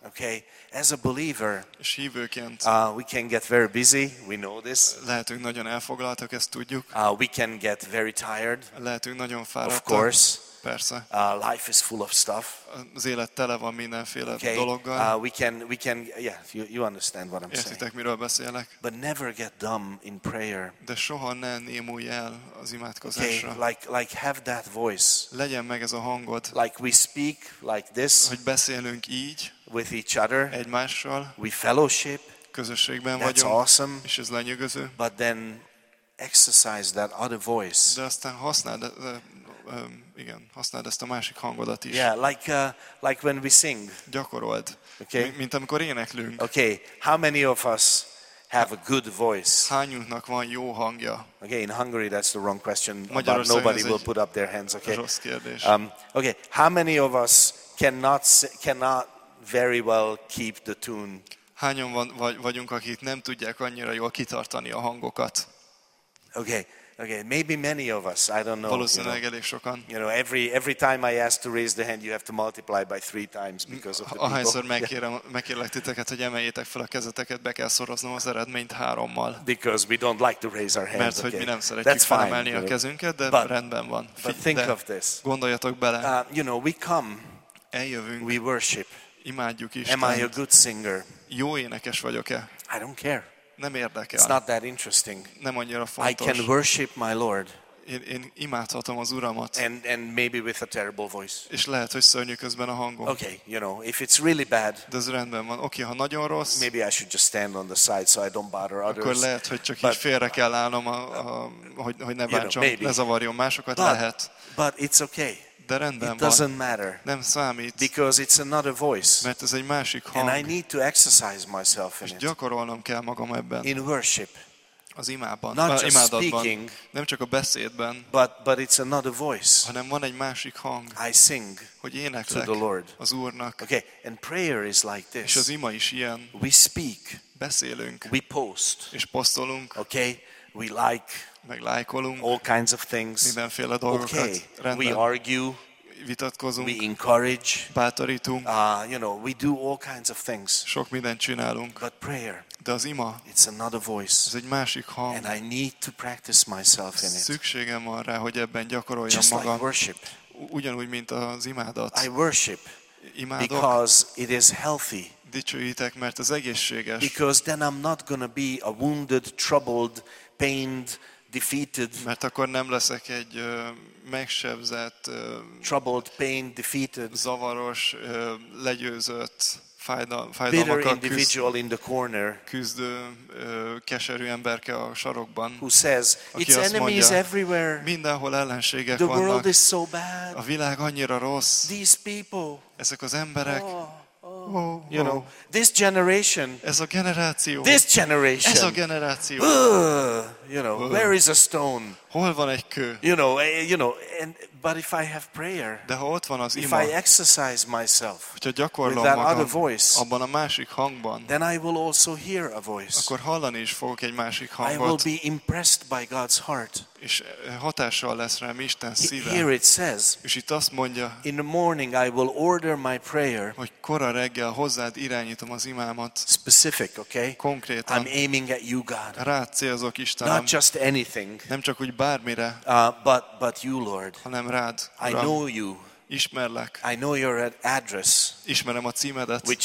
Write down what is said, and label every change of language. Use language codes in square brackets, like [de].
[en] Okay, as a believer. [hu] És hívőként. [en] We can get very busy. We know this. [hu] Lehetünk nagyon elfoglaltak, ezt tudjuk. [en] We can get very tired. [hu] Lehetünk nagyon fáradtak. [en] Of course. [hu] Persze. [en] Life is full of stuff. [hu] Az élet tele van mindenféle dologgal. [en] We can yeah, you understand what I'm saying. [hu] Értitek, miről beszélek? [en] But never get dumb in prayer. [hu] De soha ne némulj el az imádkozásra. [en] Okay, like have that voice. [hu] Legyen meg ez a hangod. [en] Like we speak like this. [hu] Hogy beszélünk így. [en] With each other. [hu] Egymással. [en] We fellowship. [hu] Közösségben [en] that's [hu] vagyunk. [en] That's awesome. [hu] És ez lenyűgöző. [en] But then exercise that other voice. [hu] De aztán használd igen, használd ezt a másik hangodat is. [en] Yeah, like when we sing. [hu] Gyakorold. [en] Okay. [hu] Mint amikor éneklünk. [en] Okay. How many of us have a good voice? [hu] Hányunknak van jó hangja? [en] Okay, in Hungary that's the wrong question. But nobody will put up their hands, okay? [hu] Rossz kérdés. [en] Okay, how many of us cannot very well keep the tune? [hu] Hányan vagyunk, akik nem tudják annyira jól kitartani a hangokat? [en] Okay, maybe many of us. I don't know. [hu] Valószínűleg elég sokan. [en] You know, every time I ask to raise the hand, you have to multiply by 3 times because of the people. [hu] Ahányszor megkérlek titeket, hogy emeljétek fel a kezeteket, be kell szoroznom az eredményt 3-mal. [en] Because we don't like to raise our hands. [hu] Mert hogy mi nem szeretjük felemelni a kezünket, de rendben van. [en] But think of this. [hu] Gondoljatok bele. [en] You know, we come. [hu] Eljövünk. [en] We worship. [hu] Imádjuk Istent. [en] Am I a good singer? [hu] Jó énekes vagyok-e? [en] I don't care. [hu] Nem érdekel. [en] It's not that interesting. [hu] Nem annyira fontos. [en] I can worship my Lord. [hu] Én imádhatom az Uramat. [en] And maybe with a terrible voice. [hu] És lehet, hogy szörnyű közben a hangom. [en] Okay, you know, if it's really bad. [hu] De ez rendben van. Okay, ha nagyon rossz. [en] Maybe I should just stand on the side so I don't bother others. [hu] Akkor lehet, hogy csak így félre kell állnom, hogy ne bántsam, ne zavarjon másokat, lehet. [en] But it's okay. [hu] De rendben [en] it doesn't [hu] van. [en] Matter. [hu] Nem számít. [en] Because it's another voice. [hu] Mert ez egy másik hang. [en] And I need to exercise myself in it. [hu] És gyakorolnom kell magam ebben. [en] In worship. [hu] Az imában, [en] not [hu] just imádatban. [en] Speaking, [hu] nem csak a beszédben. [en] But it's another voice. [hu] Hanem van egy másik hang. [en] I sing. [hu] Hogy éneklek [en] to the Lord. [hu] Az Úrnak. [en] Okay, and prayer is like this. [hu] És az ima is ilyen. [en] We speak. [hu] Beszélünk. [en] We post. [hu] És posztolunk. [en] Okay, we like. [hu] Meglájkolunk. [en] All kinds of things. [hu] Mindenféle dolgokat. [en] Okay. [hu] Rendben. [en] We argue. [hu] Vitatkozunk. [en] We encourage. [hu] Bátorítunk. [en] You know, we do all kinds of things. [hu] Sok mindent csinálunk. [en] But prayer. [hu] De az ima. [en] It's another voice. [hu] Ez egy másik hang. [en] And I need to practice myself in it. [hu] Szükségem van rá, hogy ebben gyakoroljam [en] just [hu] magam. [en] Like worship. [hu] Ugyanúgy, mint az imádat. [en] I worship. [hu] Imádok. [en] Because it is healthy. [hu] Dicsőítek, mert az egészséges. [en] Because then I'm not gonna be a wounded, troubled, pained, defeated. [hu] Mert akkor nem leszek egy megsebzett, [en] troubled, pain, defeated, [hu] zavaros, legyőzött, fájdalmakkal küzdő, keserű emberke a sarokban. [en] Who says, [hu] aki [en] its [hu] azt mondja, [en] enemies everywhere. [hu] Mindenhol ellenségek [en] the [hu] vannak. [en] World is so bad. [hu] A világ annyira rossz. [en] These people. [hu] Ezek az emberek. [en] Oh. Oh, you know, this generation. [hu] Ez a generáció. [en] This generation. [hu] Ez a generáció. [en] You know, where is a stone? [hu] Hol van egy kő? [en] You know, and but if I have prayer. [hu] De ha ott van az ima. [en] If I exercise myself. [hu] Hogyha gyakorlom [en] with that [hu] magam [en] other voice, [hu] abban a másik hangban. [en] Then I will also hear a voice. [hu] Akkor hallani is fogok egy másik hangot. [en] I will be impressed by God's heart. [hu] És hatással lesz rám Isten szíve. [en] Here it says. [hu] És itt azt mondja. [en] In the morning I will order my prayer. [hu] Hogy kora reggel hozzád irányítom az imámat. [en] Specific, okay? [hu] Konkrétan. [en] I'm aiming at you, God. [hu] Rád célzok, Istenem. [en] Not just anything. [hu] Nem csak úgy bármire. [en] But you, Lord. [hu] Hanem rád, Uram. [en] I know you. [hu] Ismerlek. [en] I know your address. [hu] Ismerem a címedet.